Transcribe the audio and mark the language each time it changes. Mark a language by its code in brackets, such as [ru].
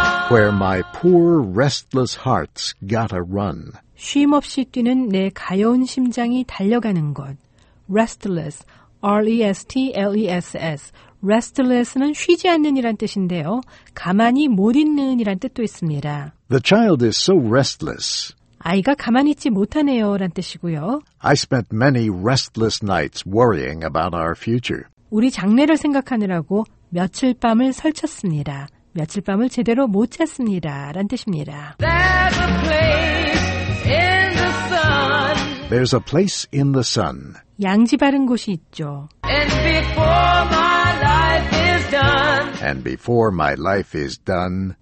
[en] Where my poor restless heart's gotta run. [ko] 쉼 없이 뛰는 내 가여운 심장이 달려가는 곳. [en] Restless, R-E-S-T-L-E-S-S. [ko] Restless는 쉬지 않는이란 뜻인데요. 가만히 못 있는이란 뜻도 있습니다. [en] The child is so restless. [ko] 아이가 가만히 있지 못하네요란 뜻이고요. [en] I spent many restless nights worrying about our future. [ko] 우리 장래를 생각하느라고 며칠 밤을 설쳤습니다. 며칠 밤을 제대로 못 잤습니다. 라는 뜻입니다. [en] There's a place in the sun. There's a place in the sun. [ko] 양지바른 곳이 있죠. [en] And before my life is done. And before my life is done.